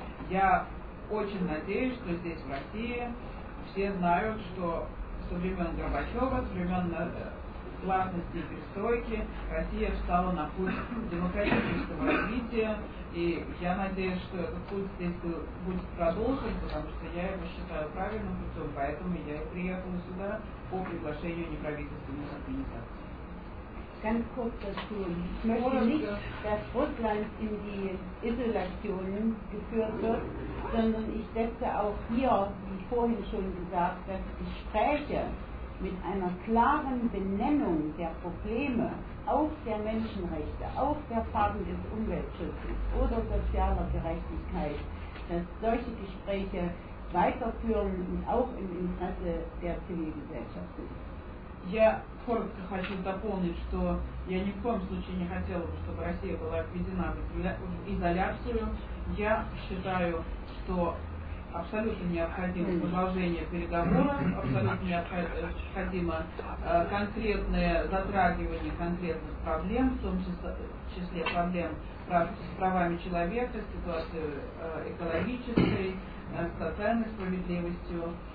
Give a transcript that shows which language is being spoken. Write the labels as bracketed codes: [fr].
[ru] Я очень надеюсь, что здесь, в России, все знают, что со времен Горбачева, со времен гласности и перестройки Россия встала на путь демократического развития. И я надеюсь, что этот путь здесь будет продолжен, потому что я его считаю правильным путем, поэтому я и приехала сюда по приглашению неправительственных организаций. [de] Ganz kurz dazu. Ich möchte nicht, dass Russland in die Isolation geführt wird, sondern ich setze auch hier, wie vorhin schon gesagt, dass Gespräche mit einer klaren Benennung der Probleme auch der Menschenrechte, auch der Fragen des Umweltschutzes oder sozialer Gerechtigkeit, dass solche Gespräche weiterführen und auch im Interesse der Zivilgesellschaft sind. [ru] Я коротко хочу дополнить, что я ни в коем случае не хотела бы, чтобы Россия была введена в изоляцию. Я считаю, что абсолютно необходимо продолжение переговоров, абсолютно необходимо конкретное затрагивание конкретных проблем, в том числе проблем с правами человека, с ситуацией экологической, с социальной справедливостью.